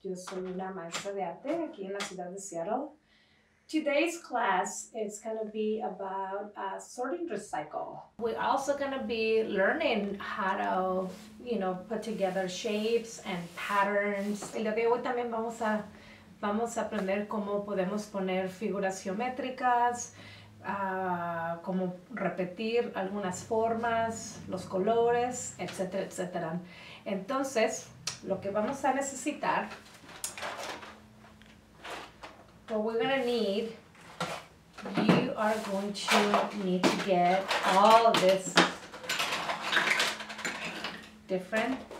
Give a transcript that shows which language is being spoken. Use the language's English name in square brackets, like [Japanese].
[Spanish] Yo soy una maestra de arte aquí en la ciudad de Seattle. [English] Today's class is going to be about sorting recycle. We're also going to be learning how to, you know, put together shapes and patterns. [Spanish] El día de hoy también vamos a aprender cómo podemos poner figuras geométricas, cómo repetir algunas formas, los colores, etcétera, etcétera. Entonces, lo que vamos a necesitar, [English] what we're going to need, you are going to need to get all of this different.